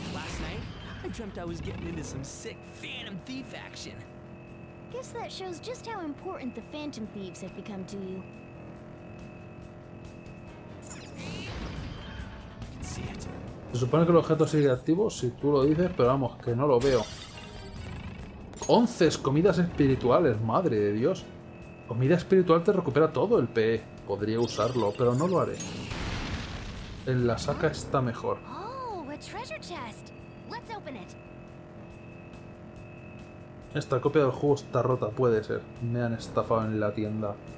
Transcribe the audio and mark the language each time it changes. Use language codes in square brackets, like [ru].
[en] Last night, I dreamt I was getting into some sick Phantom Thief action. Guess that shows just how important the Phantom Thieves have become to you. [es] Se supone que el objeto sigue activo si tú lo dices, pero vamos, que no lo veo. 11 comidas espirituales, madre de Dios. Comida espiritual te recupera todo el PE. Podría usarlo, pero no lo haré. En la saca está mejor. [en] Treasure chest. Let's open it. [es] Esta copia del juego está rota, puede ser. Me han estafado en la tienda.